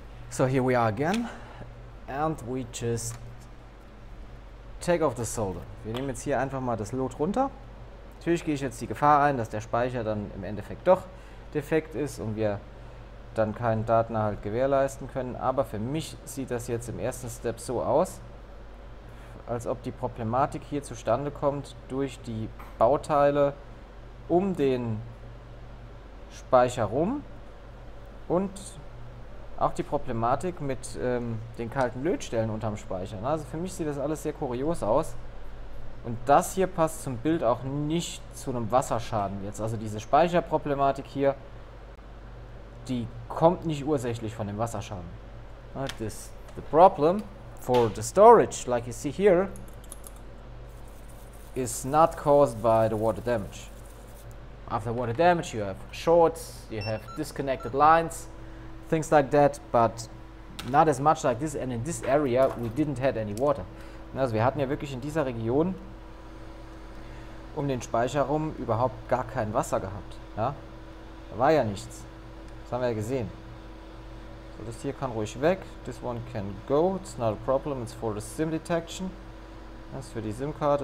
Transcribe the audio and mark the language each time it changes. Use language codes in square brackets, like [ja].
[en] So here we are again, and we just take off the solder. [de] Wir nehmen jetzt hier einfach mal das Lot runter. Natürlich gehe ich jetzt die Gefahr ein, dass der Speicher dann im Endeffekt doch defekt ist und wir dann keinen Datenerhalt gewährleisten können. Aber für mich sieht das jetzt im ersten Step so aus, als ob die Problematik hier zustande kommt durch die Bauteile um den Speicher rum und auch die Problematik mit den kalten Lötstellen unterm Speicher. Also für mich sieht das alles sehr kurios aus. Und das hier passt zum Bild auch nicht zu einem Wasserschaden jetzt. Also diese Speicherproblematik hier, die kommt nicht ursächlich von dem Wasserschaden. [en] This, the problem for the storage, like you see here, is not caused by the water damage. After water damage you have shorts, you have disconnected lines, things like that, but not as much like this, and in this area we didn't have any water. [de] Also wir hatten ja wirklich in dieser Region um den Speicher rum überhaupt gar kein Wasser gehabt. Ja? Da war ja nichts. Das haben wir ja gesehen. So, das hier kann ruhig weg. [en] This one can go. It's not a problem. It's for the SIM detection. [de] Das ist für die SIM-Karte.